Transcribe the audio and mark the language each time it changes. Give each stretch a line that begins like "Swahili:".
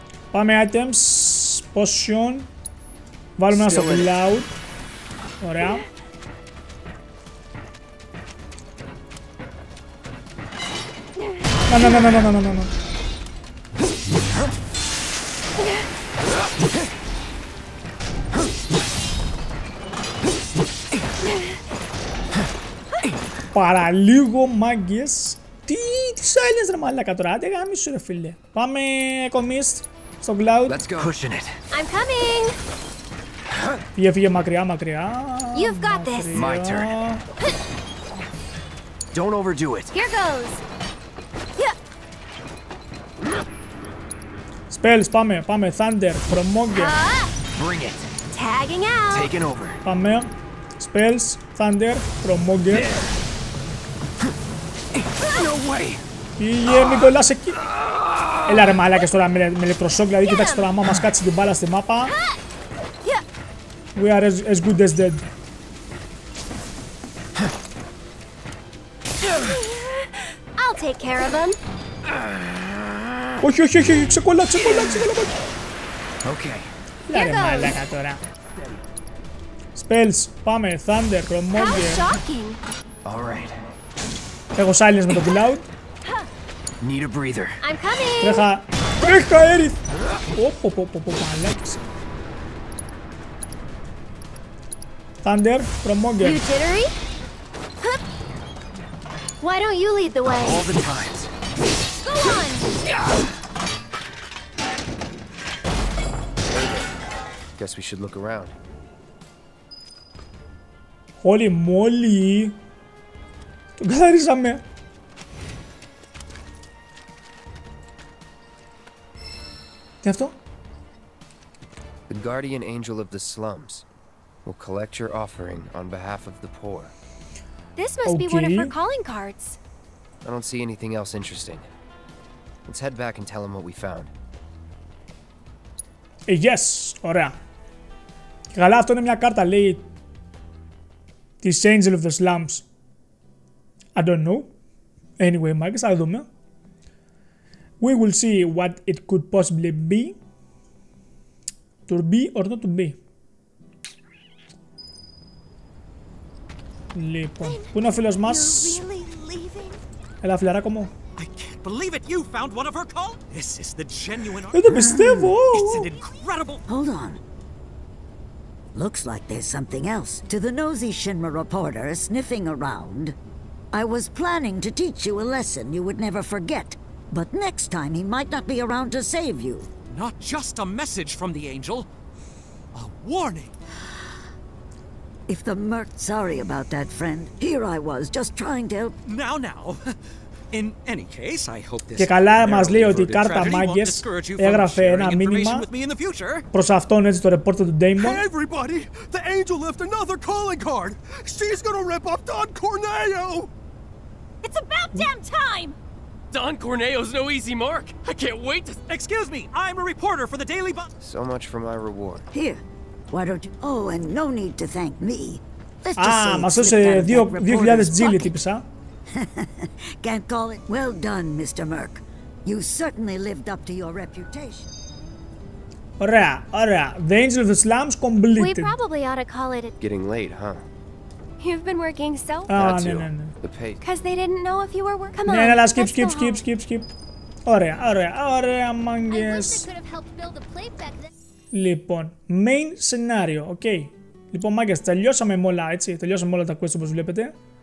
Greek: Πάμε, items, potion. Βάλουμε ένα στο cloud. Ωραία. Να, να, να, να, να, να, να, να, να. Παραλίγο μάγκες. Τι, τι σάλιες ρε μάλακα τώρα, άντε γάμισου ρε φίλε. Πάμε κομίστ στο cloud.
English: Let's go. Pushing it. I'm coming.
Greek: Φύγε, φύγε, μακριά, μακριά.
English: You've got this. My turn. Don't overdo it. Here goes.
Greek: Spells, πάμε, πάμε, Thunder, Χρωμόγκερ.
English: Bring it. Tagging out. Taking over.
Greek: Πάμε.
English: Spells, Thunder, Χρωμόγκερ. No way.
Greek: Φύγε, μην κολλάς εκεί. Έλα ρε μαλάκες τώρα με ηλεκτροσόκ, δηλαδή κοιτάξτε τώρα, άμα μας κάτσει την μπάλα στη μάπα.
English: We are as good as dead. I'll take care of them.
Greek: Όχι, όχι, όχι, ξεκολλά, ξεκολλά, ξεκολλά.
English: Okay.
Greek: Λάρε μάλακα τώρα. Spells, πάμε, Thunder, Χρωμόγκερ.
English: How shocking. All right.
Greek: Έχω silence με το cloud.
English: Need a breather. I'm coming.
Greek: Τρέχα, τρέχα, Aerith. Όπο, όπο, όπο, όπο, μάλακες.
English: Thunder, Χρωμόγκερ. You jittery? Why don't you lead the way? All the times. Go on! Guess we should look around. Holy moly!
Greek: Τον καθαρίσαμε! Τι αυτό?
English: The guardian angel of the slums will collect your offering on behalf of the poor. This must be one of her calling cards. I don't see anything else interesting. Let's head back and tell him what we found.
Greek: Yes, ωραία. Καλά, αυτό είναι μια κάρτα, λέει, της Angel of the Slums.
English: I don't know.
Greek: Anyway, Marcus, θα δούμε.
English: We will see what it could possibly be. To be or not to be.
Greek: Λοιπόν, πού είναι ο φίλος μας? Έλα, φιλαράκο μου.
English: Believe it, you found one of her calls? This is the genuine It's an incredible... Hold on. Looks like there's something else. To the nosy Shinra reporter sniffing around, I was planning to teach you a lesson you would never forget, but next time he might not be around to save you. Not just a message from the angel, a warning. If the merc... Sorry about that, friend. Here I was, just trying to help... Now, now. In any case, I hope this
Greek: και καλά μας λέει ότι η κάρτα Μάγκες έγραφε ένα μήνυμα προς αυτόν, έτσι, το ρεπόρτερ του Ντέιμον.
English: Everybody, the angel left another calling card. She's gonna rip off Don Corneo. It's about damn time. Don Corneo's no easy mark. I can't wait to... Excuse me, I'm a reporter for the Daily Bu... So much for my reward. Here, why don't you... Oh, and no need to thank me.
Greek: Μας έδωσε 2,000 τζίλι, τύπησα.
English: Can't call it. Well done, Mr. Merc. You certainly lived up to your reputation.
Greek: Ωραία, ωραία.
English: The Angel of the Slums completed. We probably ought to call it. Getting late, huh? You've been working so hard. Ah, no, no, the pay. Because they didn't know if you were working. Come on.
Greek: Ναι, αλλά skip. Ωραία, ωραία, ωραία, Μάγκες.
English: I wish I could have helped build a playback.
Greek: Λοιπόν, main scenario, okay. Λοιπόν, Μάγκες, τελειώσαμε όλα, έτσι. Τελειώσαμε όλα τα quests, όπως βλέπετε.